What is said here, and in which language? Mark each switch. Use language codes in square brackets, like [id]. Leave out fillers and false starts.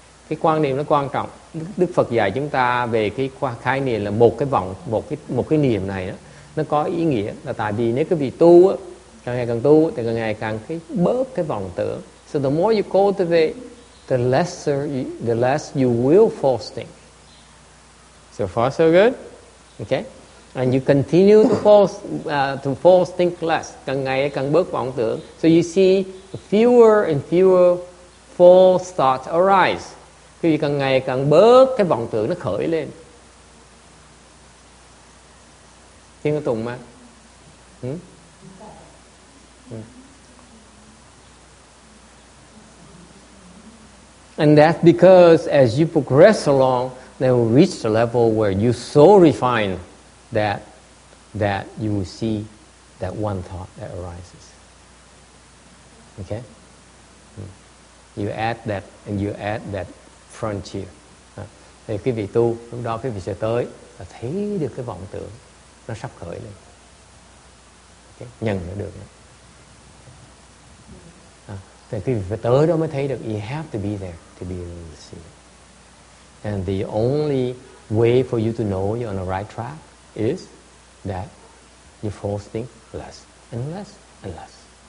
[vi] Cái quan niệm nó quan trọng. Đức Phật dạy chúng ta về cái khái niệm là một cái vọng, một cái niệm này đó, nó có ý nghĩa là tại vì nếu cái vị tu á, càng ngày thì càng ngày càng cái bớt cái vọng tưởng. [en] So the more you cultivate, the less you will false think. So far so good. Okay? And you continue to false think less, [vi] càng ngày càng bớt vọng tưởng. [en] So you see fewer and fewer false thoughts arise. [vi] Vì càng ngày càng bớt cái vọng tưởng nó khởi lên. Thiên có tùng mà. [en] And that's because as you progress along, they will reach the level where you so refine that you will see that one thought that arises. Okay? You add that frontier. [vi] Thì cái vị tu lúc đó cái vị sẽ tới là thấy được cái vọng tưởng nó sắp khởi lên. Okay. Nhận nó được. Thì cái vị phải tới đó mới thấy được. [en] You have to be there to be able to see. And the only way for you to know you're on the right track is that you force things less and less and less.